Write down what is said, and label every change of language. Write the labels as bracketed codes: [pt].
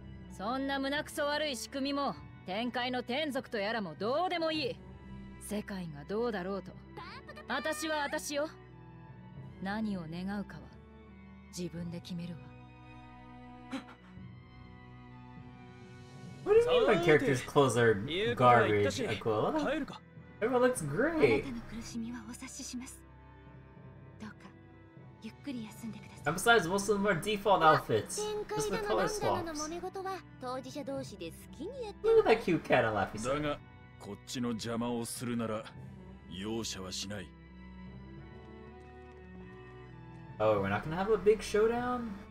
[ja] そんな胸クソ悪い仕組みも天界の天族とやらもどうでもいい。世界がどうだろうと、私は私よ。何を願うかは自分で決めるわ。 [en] What do you mean my character's clothes are garbage, Aquila? Everyone looks great. [ja] あなたの苦しみはお察しします。どうかゆっくり休んでください。 [en] And besides, most of them are default outfits. Just the color swaps. Look at that cute cat on Laffy's face. [ja] だが、こっちの邪魔をするなら、容赦はしない。 [en] Oh, we're not gonna have a big showdown?